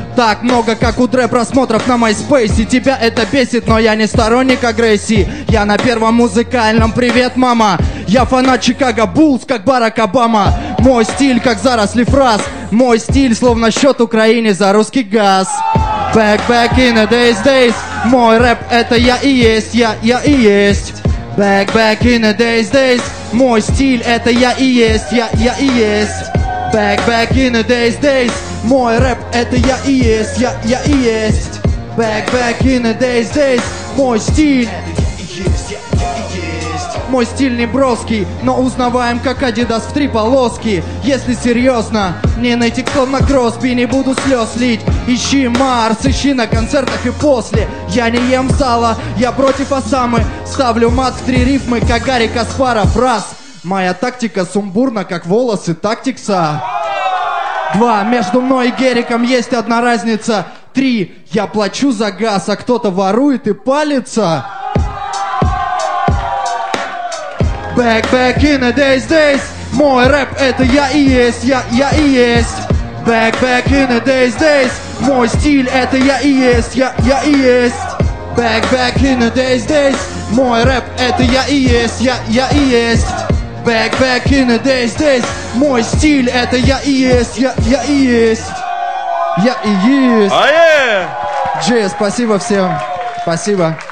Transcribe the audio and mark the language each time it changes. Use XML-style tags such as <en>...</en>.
<ru>Так много, как у Дре просмотров на MySpace. Тебя это бесит, но я не сторонник агрессии. Я на первом музыкальном, привет, мама. Я фанат Чикаго Буллс, как Барак Обама. Мой стиль, как заросли фраз. Мой стиль, словно счет Украине за русский газ.</ru> <en>Back, back in the days, days.</en> <ru>Мой рэп, это я и есть, я и есть.</ru> <en>Back, back in the days, days.</en> <ru>Мой стиль, это я и есть, я и есть.</ru> <en>Back, back in the days, days.</en> <ru>Мой рэп, это я и есть, я и есть.</ru> <en>Back, back in the days, days.</en> <ru>Мой стиль. Мой стиль не броский, но узнаваем, как Adidas в три полоски. Если серьезно, не найти кто на Кросби, не буду слез лить. Ищи Марс, ищи на концертах и после. Я не ем сало, я против Осамы. Ставлю мат в три рифмы, как Гарри Каспаров. Раз, моя тактика сумбурна, как волосы тактикса. Два, между мной и Гериком есть одна разница. Три, я плачу за газ, а кто-то ворует и палится.</ru> <en>Back, back in the days, days.</en> <ru>Мой рэп, это я и есть, я и есть.</ru> <en>Back, back in the days, days.</en> <ru>Мой стиль, это я и есть, я и есть.</ru> <en>Back, back in the days, days.</en> <ru>Мой рэп, это я и есть, я и есть.</ru> <en>Back, back in the days, days.</en> <ru>Мой стиль, это я и есть, я и есть. Я и есть.</ru> <en>Oh, yeah.</en> <ru>Джи, спасибо всем. Спасибо.</ru>